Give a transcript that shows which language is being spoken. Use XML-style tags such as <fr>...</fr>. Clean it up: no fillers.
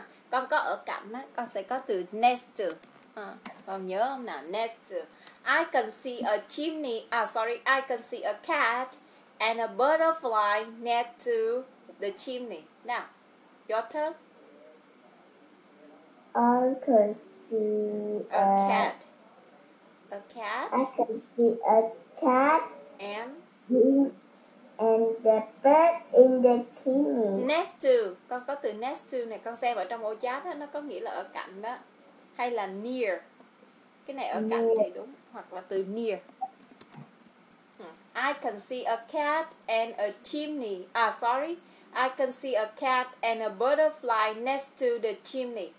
<vi>Con có ở cạnh á, con sẽ có từ next to. Con nhớ không nào?</vi> <en>Next to. I can see a chimney. I can see a cat and a butterfly next to the chimney. Now, your turn. I can see a cat. I can see a cat and the bird in the chimney.</en> <vi>Next to, con có từ next to này, con xem ở trong ô chat đó, nó có nghĩa là ở cạnh đó, hay là near. Cái này ở cạnh thì đúng, hoặc là từ near.</vi> <en>I can see a cat and a chimney. I can see a cat and a butterfly next to the chimney.</en>